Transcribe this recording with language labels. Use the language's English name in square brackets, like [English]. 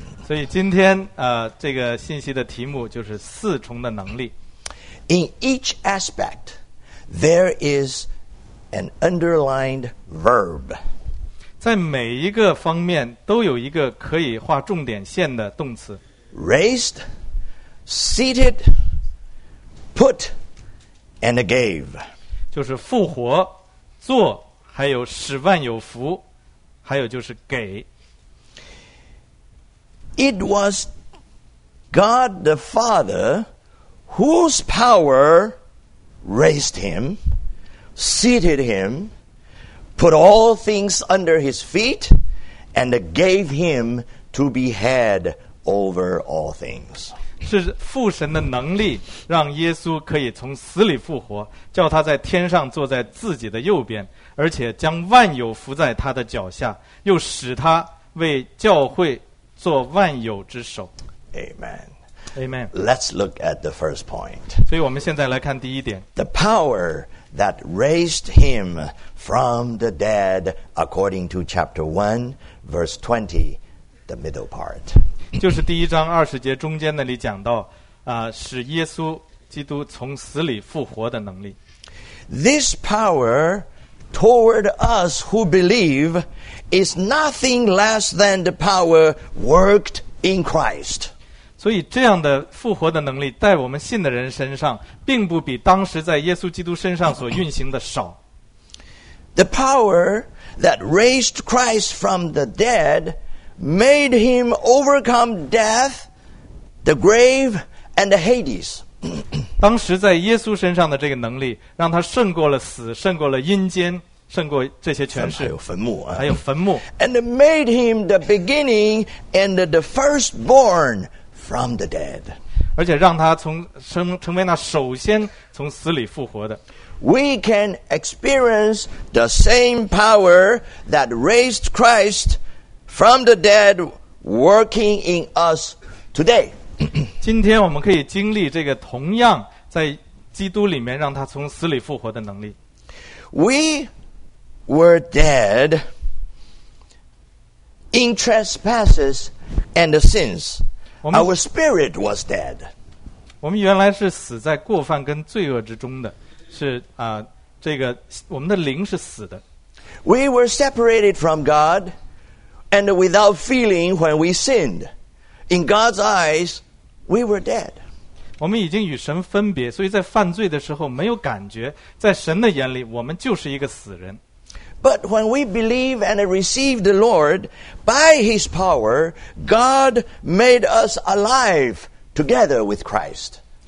[Chinese] 所以今天这个信息的题目就是四重的能力。 [English] In each aspect, there is an underlined verb. [Chinese] 在每一个方面都有一个可以画重点线的动词。 [English] Raised, seated, put, and gave. [Chinese] 就是复活、做，还有使万有服，还有就是给。 [English] It was God the Father whose power raised him, seated him, put all things under his feet, and gave him to be head. Over all things. [Chinese] 是父神的能力让耶稣可以从死里复活，叫他在天上坐在自己的右边，而且将万有伏在他的脚下，又使他为教会做万有之首。 [English] Amen. Amen. Let's look at the first point. [Chinese] 所以我们现在来看第一点。 [English] The power that raised him from the dead according to chapter 1, verse 20, the middle part. [Chinese] 就是第一章二十节中间那里讲到使耶稣基督从死里复活的能力。 [English] This power toward us who believe is nothing less than the power worked in Christ. [Chinese] 所以这样的复活的能力在我们信的人身上并不比当时在耶稣基督身上所运行的少。 [English] The power that raised Christ from the dead made him overcome death, the grave, and the Hades. [Chinese] 当时在耶稣身上的这个能力，让他胜过了死，胜过了阴间，胜过这些权势。还有坟墓啊，还有坟墓。 [English] And made him the beginning and the firstborn from the dead. [Chinese] 而且让他成为那首先从死里复活的。 [English] We can experience the same power that raised Christ. From the dead, working in us today. [Chinese] 今天我们可以经历这个同样在基督里面让他从死里复活的能力。 [English] We were dead in trespasses and sins. Our spirit was dead. [Chinese] 我们原来是死在过犯跟罪恶之中的，是这个我们的灵是死的。 [English] We were separated from God. And without feeling when we sinned. In God's eyes, we were dead. [Chinese] 我们已经与神分别，所以在犯罪的时候没有感觉，在神的眼里我们就是一个死人。 [English] But when we believe and receive the Lord, by his power, God made us alive together with Christ.